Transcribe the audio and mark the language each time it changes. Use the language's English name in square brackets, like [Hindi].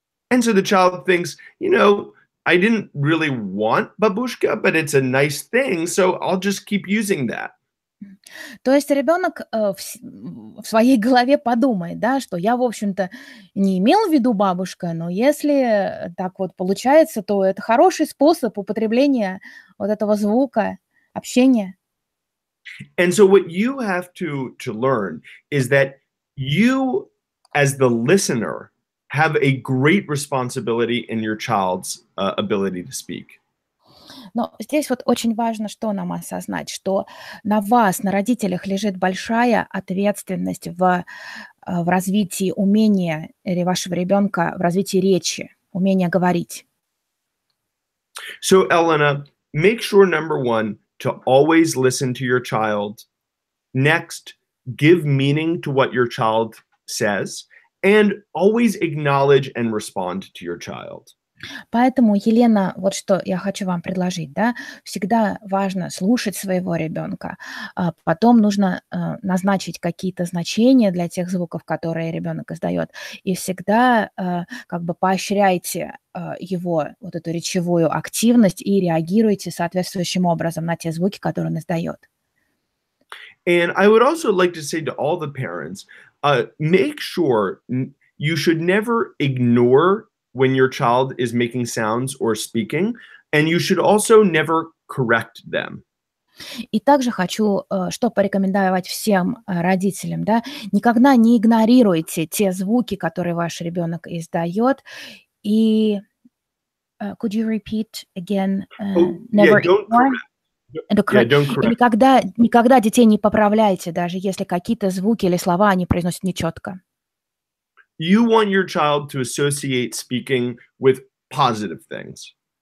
[English] And so the child thinks, you know, I didn't really want бабушка, but it's a nice thing, so I'll just keep using that. [Russian] То есть ребенок в своей голове подумает, да, что я, в общем-то, не имел в виду бабушка, но если так вот получается, то это хороший способ употребления вот этого звука, общения. [English] And so what you have to learn is that you, as the listener, have a great responsibility in your child's ability to speak. [Russian] Но здесь вот очень важно, что нам осознать, что на вас, на родителях, лежит большая ответственность в развитии умения вашего ребенка, в развитии речи, умения говорить. [English] So, Elena, make sure, number one, to always listen to your child. Next, give meaning to what your child says. And always acknowledge and respond to your child. [Russian] Поэтому, Елена, вот что я хочу вам предложить, да, всегда важно слушать своего ребенка, потом нужно назначить какие-то значения для тех звуков, которые ребенок издает, и всегда как бы поощряйте его, вот эту речевую активность, и реагируйте соответствующим образом на те звуки, которые он издает. [English] And I would also like to say to all the parents, make sure you should never ignore when your child is making sounds or speaking, and you should also never correct them. [Russian] И также хочу, что порекомендовать всем родителям, да, никогда не игнорируйте те звуки, которые ваш ребенок издает, и [English] could you repeat again, don't correct. [Russian] Никогда детей не поправляйте, даже если какие-то звуки или слова они произносят нечетко. [English] You want your child to associate speaking with positive things.